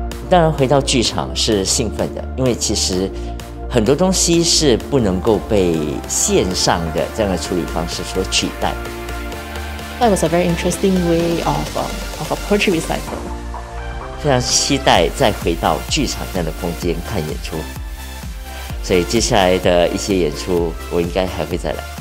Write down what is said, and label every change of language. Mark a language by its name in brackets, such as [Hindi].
[Chinese] 当然回到剧场是兴奋的，因为其实很多东西是不能够被线上的这样的处理方式所取代。 [English] That was a very interesting way of a poetry recital. [Chinese] 非常期待再回到剧场这样的空间看演出，所以接下来的一些演出我应该还会再来。